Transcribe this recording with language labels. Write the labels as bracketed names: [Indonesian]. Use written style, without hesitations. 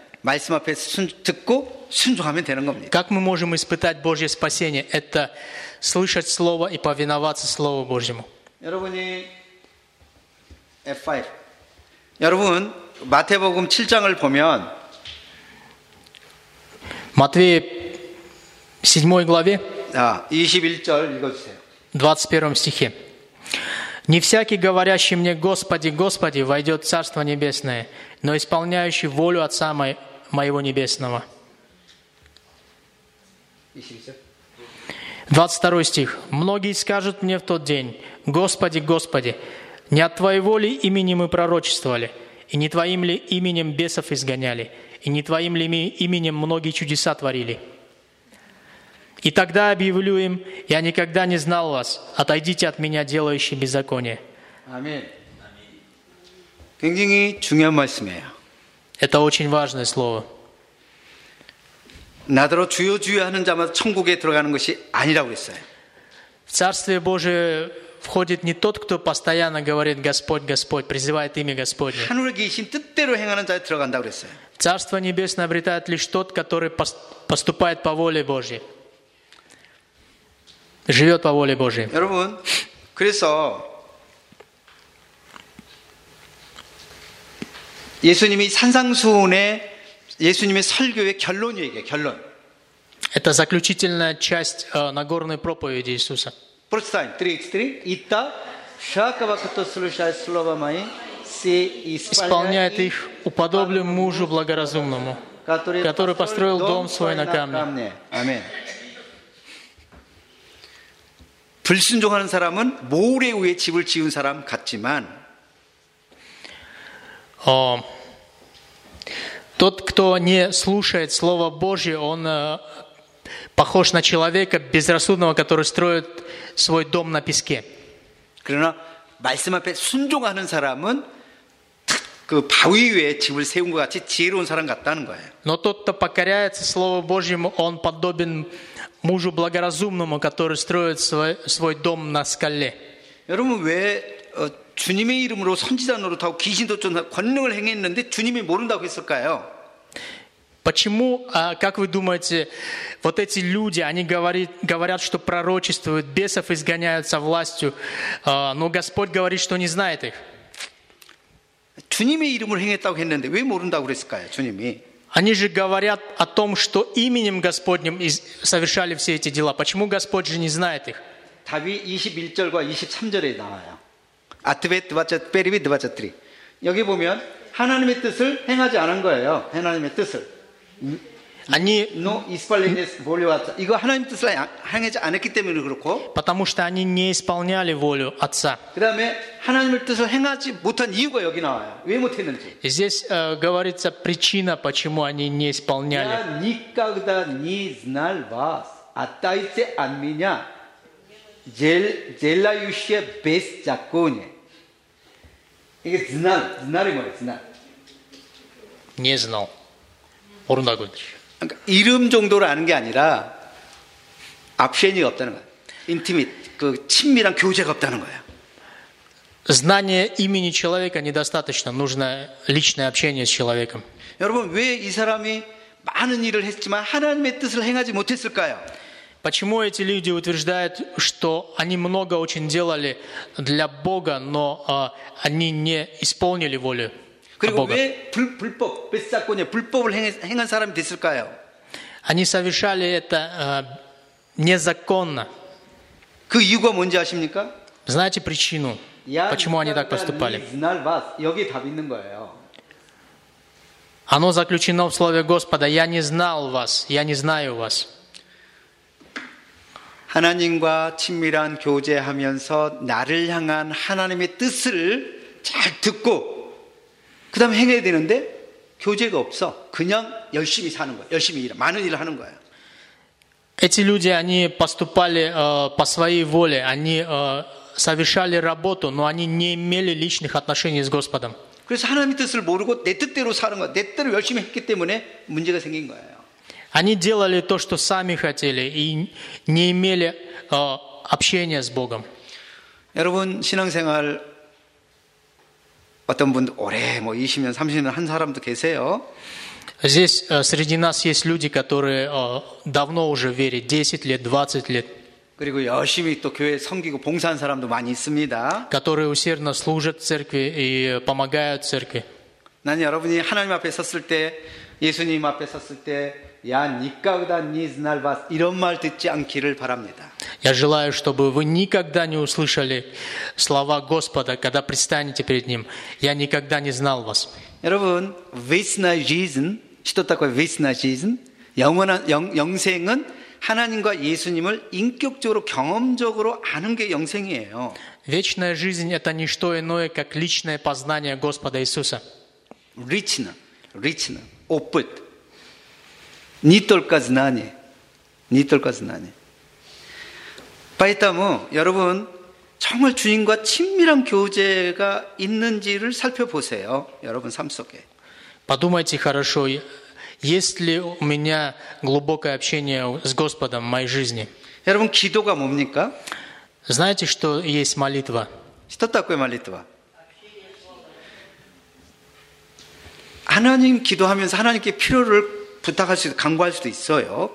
[Korean] 말씀 앞에서 듣고 순종하면 되는 겁니다. [Russian] Как мы можем испытать Божье спасение? Это слышать Слово и повиноваться Слову Божьему. [Korean] 여러분이 F5. 여러분 마태복음 7장을 보면 [Russian] Матвея 7 главе [Korean] 21절 읽어주세요. [Russian] 21 стихе. Не всякий, говорящий мне Господи, Господи, войдет в Царство Небесное, но исполняющий волю Отца Моего Небесного. 22 стих. Многие скажут мне в тот день: Господи, Господи, не от Твоего ли имени мы пророчествовали, и не Твоим ли именем бесов изгоняли, и не Твоим ли именем многие чудеса творили? И тогда объявлю им: я никогда не знал вас, отойдите от меня, делающие беззаконие. Аминь. [Korean] 굉장히 중요한 말씀이에요. [Russian] Это очень важное слово. [Korean] 나더러 주여 주여 하는 자마다 천국에 들어가는 것이 아니라고 했어요. [Russian] В Царствие Божие входит не тот, кто постоянно говорит Господь, Господь, призывает имя Господне. [Korean] 하늘에 계신 뜻대로 행하는 자에 들어간다고 했어요. [Russian] Царство небесное обретает лишь тот, который поступает по воле Божьей. Живет по воле Божьей. [Korean] 여러분, 그래서 예수님이 산상수훈에 예수님의 설교의 결론이에요, 이게, 결론. [Russian] Это заключительная часть Нагорной проповеди Иисуса. Прочитаем, 3:33. Итта, шакава, кто слушает слова мои, се исполняет их, уподоблю мужу благоразумному, который построил дом свой на камне. Аминь. [Korean] 불순종하는 사람은 모래 위에 집을 지은 사람 같지만, [Russian] Тот, кто не слушает Слово Божье, он похож на человека безрассудного, который строит свой дом на песке. [Korean] 그러나 말씀 앞에 순종하는 사람은 그 바위 위에 집을 세운 것 같이 지혜로운 사람 같다는 거예요. [Russian] Но тот, кто покоряется Слову Божьему, он подобен мужу благоразумному, который строит свой дом на скале. [Korean] 여러분 왜 주님의 이름으로 선지자 노릇하고 귀신도 쫓아 권능을 행했는데 주님이 모른다고 했을까요? [Russian] Почему, как вы думаете, вот эти люди, они говорят, что пророчествуют, бесов изгоняются властью, но Господь говорит, что не знает их? [Korean] 주님의 이름으로 행했다고 했는데 왜 모른다고 그랬을까요, 주님이? [Russian] Они же говорят о том, что именем Господним совершали все эти дела. Почему Господь же не знает их? [Korean] 답이 21절과 23절에 나와요. 아트베트바자 베리비드바자트리 여기 보면 하나님의 뜻을 행하지 않은 거예요. 하나님의 뜻을 [Russian] Они, но исполнились волю Отца. [Korean] 이거 하나님 뜻을 행하지 않았기 때문에 그렇고. [Russian] Потому что они не исполняли волю Отца. [Korean] 그다음에 하나님의 뜻을 행하지 못한 이유가 여기 나와요. 왜 못했는지. [Russian] Здесь говорится причина, почему они не исполняли. Я никогда не знал вас, а тайце от меня, желающие беззаконие. [Korean] 이게 знал, знали 뭐예요, знал. [Russian] Не знал. [Korean] 모른다고 했죠. 그러니까 이름 정도를 아는 게 아니라 옵션이 없다는 거야. 인티밋, 그 친밀한 교제가 없다는 거야. [Russian] Знание имени человека недостаточно. Нужно личное общение с человеком. [Korean] 여러분, 왜 이 사람이 많은 일을 했지만 하나님의 뜻을 행하지 못했을까요? [Russian] Почему эти люди утверждают, что они много очень делали для Бога, но они не исполнили волю? [Korean] 그리고 왜 불법, 뱃사건에 불법을 행한 사람이 됐을까요? [Russian] Они совершали это незаконно. [Korean] 그 이유가 뭔지 아십니까? [Russian] Знаете причину, почему они так поступали? [Korean] 여기 답 있는 거예요. [Russian] Оно заключено в слове Господа. Я не знал вас, я не знаю вас. [Korean] 하나님과 친밀한 교제하면서 나를 향한 하나님의 뜻을 잘 듣고 그 다음에 행해야 되는데 교제가 없어. 그냥 열심히 사는 거야. 열심히 일, 많은 일을 하는 거야. [Russian] Эти люди, они поступали по своей воле. Они совершали работу, но они не имели личных отношений с Господом. [Korean] 그래서 하나님의 뜻을 모르고 내 뜻대로 사는 거야. 내 뜻대로 열심히 했기 때문에 문제가 생긴 거예요. [Russian] Они делали то, что сами хотели и не имели общения с Богом. [Korean] 여러분, 신앙생활 어떤 분 오래 뭐 20년, 30년 한 사람도 계세요. [Russian] Здесь среди нас есть люди, которые давно уже верят, 10 лет, 20 лет. [Korean] 그리고 열심히 또 교회 섬기고 봉사한 사람도 많이 있습니다. [Russian] Которые усердно служат церкви и помогают церкви. [Korean] 나는 여러분이 하나님 앞에 섰을 때, 예수님 앞에 섰을 때, 야 [Russian] никогда не знал вас [Korean] 이런 말 듣지 않기를 바랍니다. [Russian] Я желаю, чтобы вы никогда не услышали слова Господа, когда предстанете перед Ним. Я никогда не знал вас. 여러분, вечная жизнь, что такое вечная жизнь? [Korean] 영원한 영생은 하나님과 예수님을 인격적으로 경험적으로 아는 게 영생이에요. [Russian] Вечная жизнь это не что иное, как личное познание Господа Иисуса. Лично, лично, опыт. Не только знание, не только знание. [Korean] Поэтому, 여러분, 정말 주님과 친밀한 교제가 있는지를 살펴보세요. 여러분 삶 속에. [Russian] Подумайте хорошо, есть ли у меня глубокое общение с Господом в моей жизни? [Korean] 여러분, 기도가 뭡니까? [Russian] Знаете, что есть молитва? Что такое молитва? [Korean] 하나님 기도하면서 하나님께 필요를 부탁할 수도 간구할 수도 있어요.